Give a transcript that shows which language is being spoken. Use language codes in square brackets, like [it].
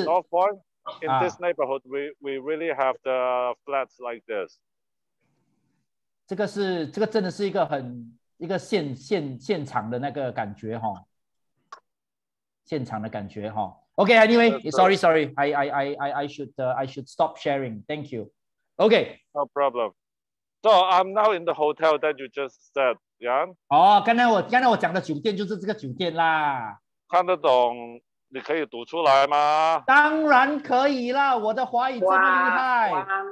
[en] in North Point, in this neighborhood, we really have the flats like this. [zh] 这个真的是一个很。一个现场的那个感觉哈、哦，现场的感觉哈、哦。 [en] OK, anyway, sorry, I should stop sharing. Thank you. OK, no problem. So I'm now in the hotel that you just said. [zh] 样？哦，刚才我讲的酒店就是这个酒店啦。看得懂，你可以读出来吗？当然可以啦，我的华语这么厉害。